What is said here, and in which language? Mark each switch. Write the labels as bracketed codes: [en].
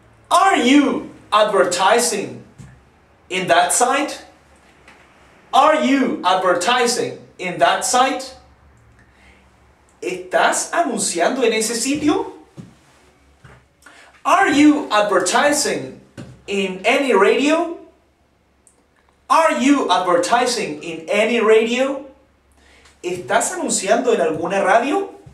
[en] Are you advertising in that site? Are you advertising in that site? [es] ¿Estás anunciando en ese sitio? [en] Are you advertising in any radio? Are you advertising in any radio? [es] ¿Estás anunciando en alguna radio?